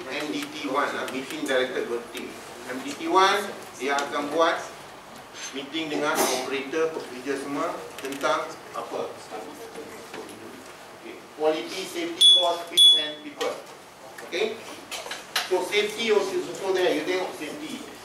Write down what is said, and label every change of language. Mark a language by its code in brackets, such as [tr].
[en] MDT1, meeting director team. [ms] MDT1, dia akan buat meeting dengan operator, pekerja semua tentang apa? [en] Okay. Quality, safety, cost, fees and people. Okay. So safety also support there, you tengok safety.